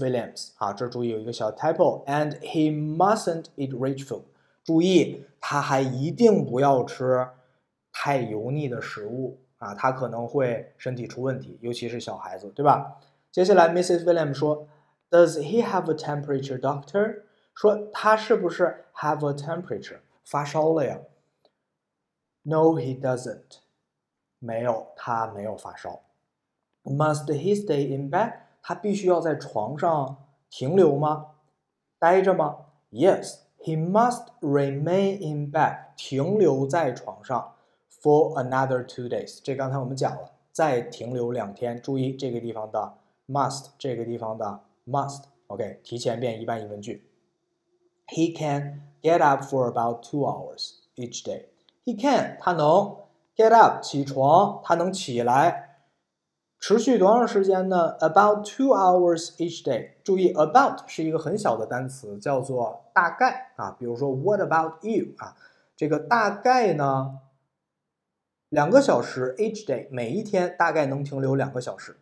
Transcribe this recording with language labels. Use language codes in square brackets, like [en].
[en] Williams, [zh] 啊，这注意有一个小 [en] typo, and he mustn't eat rich food. [zh] 注意，他还一定不要吃太油腻的食物，啊，他可能会身体出问题，尤其是小孩子，对吧？接下来 [en] Mrs. Williams 说 ,Does he have a temperature doctor? [zh] 说他是不是 [en] have a temperature, [zh] 发烧了呀 [en] ?No, he doesn't. [zh] 没有，他没有发烧。 [en] Must he stay in bed? [zh] 他必须要在床上停留吗？待着吗 [en] ？Yes, he must remain in bed, [zh] 停留在床上 [en] for another 2 days. [zh] 这刚才我们讲了，再停留两天。注意这个地方的 must, 这个地方的 must. OK, 提前变一般疑问句。 [en] He can get up for about 2 hours each day. He can, [zh] 他能 [en] get up, [zh] 起床，他能起来。持续多长时间呢 [en] ?About 2 hours each day. [zh] 注意 ,about 是一个很小的单词叫做大概啊比如说 [en] what about you, [zh] 啊这个大概呢2个小时 [en] each day, [zh] 每一天大概能停留2个小时。